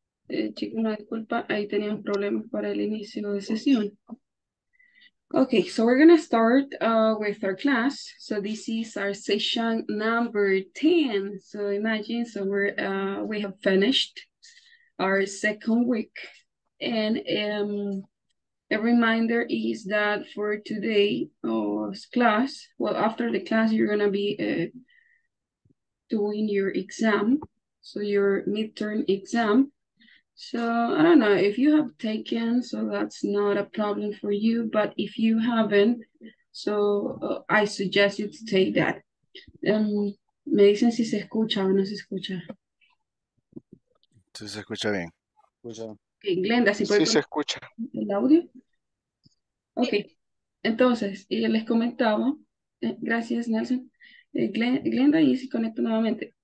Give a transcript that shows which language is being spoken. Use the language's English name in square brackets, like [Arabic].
[Spanish] Chicos, una disculpa, ahí teníamos problemas para el inicio de sesión. [English] Okay, so we're gonna start with our class. So this is our session number 10. So imagine, so we have finished our second week. And a reminder is that for today's class, well, after the class, you're gonna be doing your exam, so your midterm exam. So I don't know if you have taken, so that's not a problem for you, but if you haven't, so I suggest you to take that. [Spanish] Me dicen si se escucha o no se escucha. Sí, se escucha bien. Okay, Glenda, si puede Sí, se escucha. El audio. Ok, entonces, y les comentaba, gracias Nelson, Glenda, y si conecto nuevamente.